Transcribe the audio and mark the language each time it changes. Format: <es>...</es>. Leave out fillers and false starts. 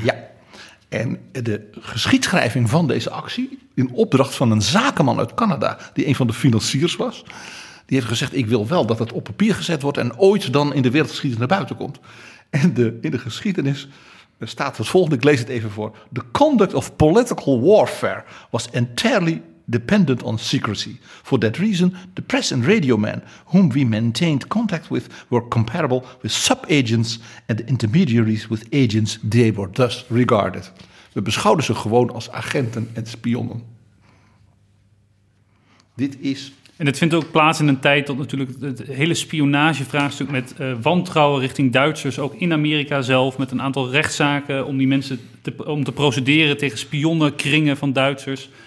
<nl>Ja, en de geschiedschrijving van deze actie in opdracht van een zakenman uit Canada, die een van de financiers was, die heeft gezegd, ik wil wel dat het op papier gezet wordt en ooit dan in de wereldgeschiedenis naar buiten komt. En in de geschiedenis staat het volgende, ik lees het even voor.</nl> <en>The conduct of political warfare was entirely dependent on secrecy. For that reason, the press and radio men whom we maintained contact with were comparable with sub-agents and the intermediaries with agents they were thus regarded.</en> <nl>We beschouwden ze gewoon als agenten en spionnen. Dit is... En het vindt ook plaats in een tijd dat natuurlijk het hele spionagevraagstuk met wantrouwen richting Duitsers, ook in Amerika zelf, met een aantal rechtszaken om die mensen om te procederen tegen spionnenkringen van Duitsers.</nl>